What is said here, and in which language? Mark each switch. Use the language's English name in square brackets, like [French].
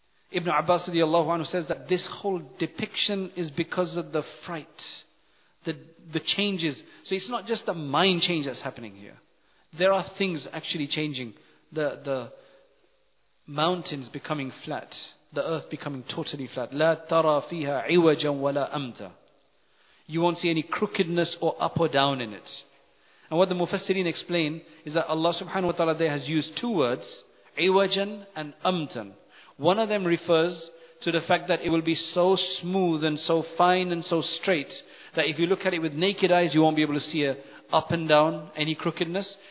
[English] Ibn Abbas radiallahu anhu says that this whole depiction is because of the fright, the changes. So it's not just a mind change that's happening here. There are things actually changing. The mountains becoming flat, the earth becoming totally flat. [Arabic] لا ترى فيها عوجا ولا أمتا. [English] You won't see any crookedness or up or down in it. And what the Mufassirin explain is that Allah subhanahu wa ta'ala there has used two words, عِوَجًا and أَمْتًا. One of them refers to the fact that it will be so smooth and so fine and so straight that if you look at it with naked eyes, you won't be able to see a up and down, any crookedness.